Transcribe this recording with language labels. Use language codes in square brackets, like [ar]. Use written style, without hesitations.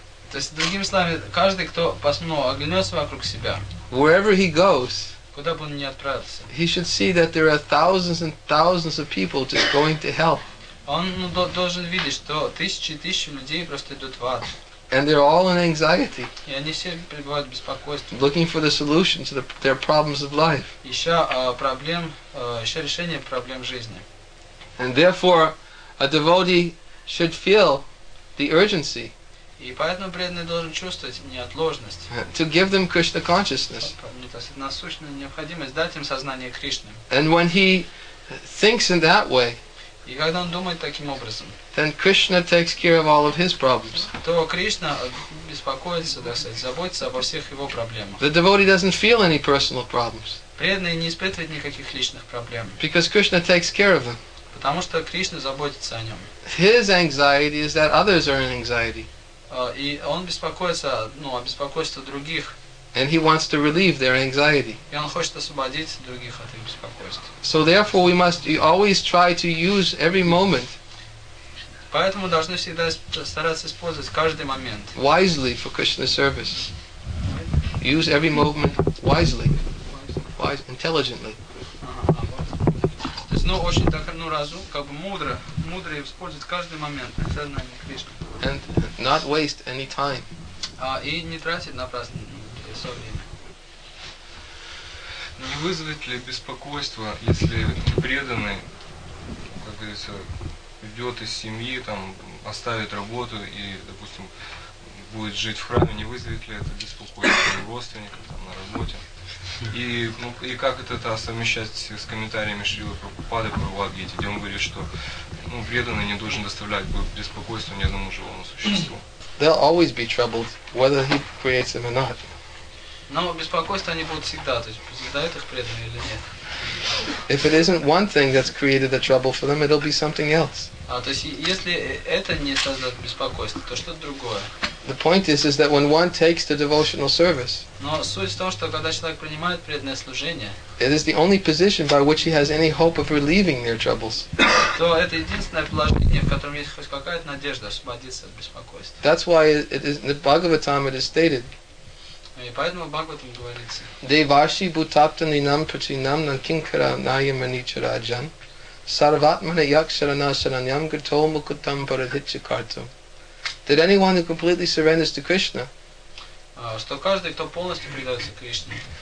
[ru] То есть, другими словами, каждый, кто оглянется вокруг себя, [en] wherever he goes, [ru] куда бы он ни отправился, [en] he should see that there are thousands and thousands of people just going to hell. [ru] Он, ну, должен видеть, что тысячи и тысячи людей просто идут в ад. [en] And they're all in anxiety. [ru] И они все пребывают в беспокойстве. [en] Looking for the solution to their problems of life. [ru] Ища проблем, ища решение проблем жизни. [en] And therefore, a devotee should feel the urgency. [ru] И поэтому преданный должен чувствовать неотложность. [en] To give them Krishna consciousness. [ru] То есть насущная необходимость дать им сознание Кришны. [en] And when he thinks in that way, [ru] и когда он думает таким образом, [en] then Krishna takes care of all of his problems. [ru] То Кришна беспокоится, так сказать, заботится обо всех его проблемах. [en] The devotee doesn't feel any personal problems. [ru] Преданный не испытывает никаких личных проблем. [en] Because Krishna takes care of them. [ru] Потому что Кришна заботится о нем. [en] His anxiety is that others are in anxiety. [ru] И он беспокоится, ну, о беспокойстве других. [en] And he wants to relieve their anxiety. [ru] И он хочет освободить других от их беспокойств. [en] So therefore we must always try to use every moment. [ru] Поэтому должны всегда стараться использовать каждый момент. [en] Wisely for Krishna service. Use every moment wisely. Wise, intelligently. [ru] То есть, ну, очень так, ну, разум, как бы мудро, мудро использовать каждый момент для сознания Кришны. [en] And not waste any time. [ru] И не тратить напрасно свое время. Не вызовет ли беспокойство, если преданный, как говорится, уйдет из семьи, там, оставит работу и, допустим, будет жить в храме, не вызовет ли это беспокойство у родственников там, на работе? И, ну, и как это совмещать с комментариями Шрилы Прабхупады про Бхагавад-гиту, где он говорит, что, ну, преданный не должен доставлять беспокойство ни одному живому существу. [en] They'll always be troubled, whether he creates them or not. [ru] Но беспокойство они будут всегда, то есть создают их преданные или нет. [en] If it isn't one thing that's created the trouble for them, it'll be something else. [ru] А то есть если это не создает беспокойство, то что-то другое. [en] The point is that when one takes the devotional service, [ru] но суть в том, что когда человек принимает преданное служение, [en] it is the only position by which he has any hope of relieving their troubles. [ru] То это единственное положение, в котором есть хоть какая-то надежда освободиться от беспокойства. [en] That's why it is in the Bhagavatam it is stated. [ru] И поэтому Бхагаватам говорится. [sa] Деваши бутаптанинам пратинам нанкинкара найяманичараджан Sarvatmana yaksharana saranyam gato mukutam paradhichakartam. [en] That anyone who completely surrenders to Krishna, [ru] что каждый, кто полностью предается Кришне,